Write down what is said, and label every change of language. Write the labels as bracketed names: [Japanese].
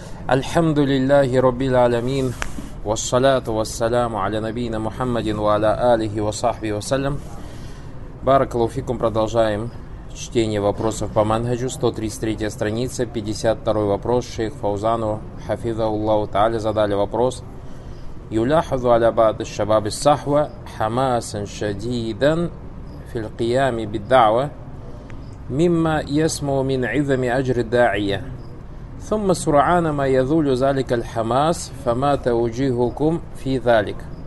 [Arabic] الحمد لله رب العالمين والصلاة والسلام على نبينا محمد وعلى آله وصحبه وسلم. بارك الله فيكم. [Russian] Продолжаем чтение вопросов по манхаджу. 133 страница, 52 вопрос. Шейх Фаузану [Arabic] حفظه الله تعالى [Russian] задали вопрос. [Arabic] يلاحظ على بعض الشباب الصحوة حماسا شديدا في القيام بالدعوة مما يسمو من عظم أجر الداعية ثم سرعان ما يذول ذلك الحماس فما توجيهكم في ذلك.